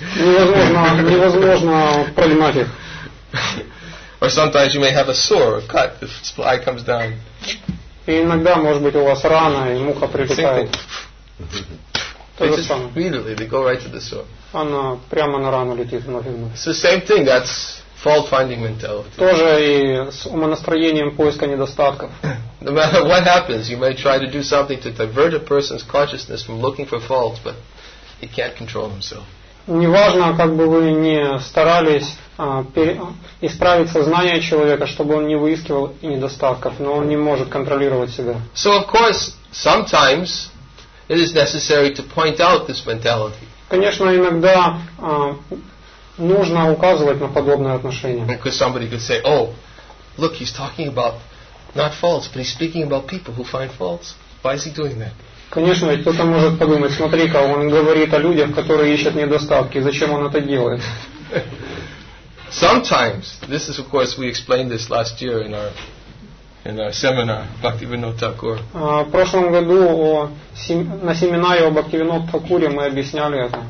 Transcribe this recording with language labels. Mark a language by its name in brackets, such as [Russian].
[Russian] Невозможно пролимать их. [English] Or sometimes you may have a sore, a cut, if the fly comes down. [Russian] И иногда, может быть, у вас рана, и муха прилетает. То же самое. [English] Immediately they go right to the sore. [Russian] Она прямо на рану летит, нафиг. [English] It's the same thing. That's fault-finding mentality. [Russian] Тоже и с умонастроением поиска недостатков. [English] No matter what happens, you may try to do something to divert a person's consciousness from looking for faults, but he can't control himself. [Russian] Неважно, как бы вы ни старались исправить сознание человека, чтобы он не выискивал недостатков, но он не может контролировать себя. [English] So of course, sometimes it is necessary to point out this mentality. [Russian] Конечно, иногда нужно указывать на подобное отношение. [English] Because somebody could say, "Oh, look, he's talking about not faults, but he's speaking about people who find faults. Why is he doing that?" [Russian] Конечно, кто-то может подумать: "Смотри-ка, он говорит о людях, которые ищут недостатки. Зачем он это делает?" [English] Sometimes, this is, of course, we explained this last year in our seminar, Bhaktivinoda Thakur. [Russian] В прошлом году на семинаре о Бхактивинода Такуре мы объясняли это.